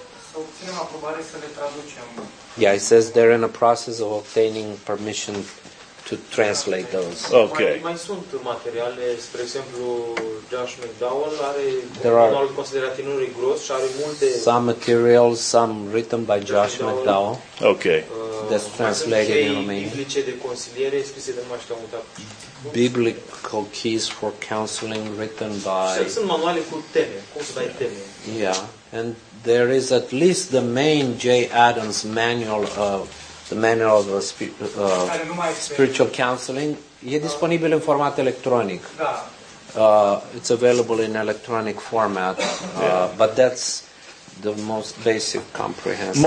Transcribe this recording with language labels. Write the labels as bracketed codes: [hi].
[ro] Să obținem aprobare să le traducem. [en] Yeah, it says they're in a process of obtaining permission to translate those. Okay. [ro] Mai sunt materiale, spre exemplu, Josh McDowell are unul considerat unul gros și are multe. [en] Some materials, some written by Josh McDowell. Okay. That's translated in Romanian. [ro] Biblice de consiliere scrise de mai știu multă. [en] Biblical keys for counseling written by. [ro] Și sunt manuale cu teme, cum să dai teme. [en] Yeah, and there is at least the main J. Adams manual of. The manual of spiritual counseling [ro] e disponibil în format electronic. Da. [en] It's available in electronic format, but that's the most basic comprehensive.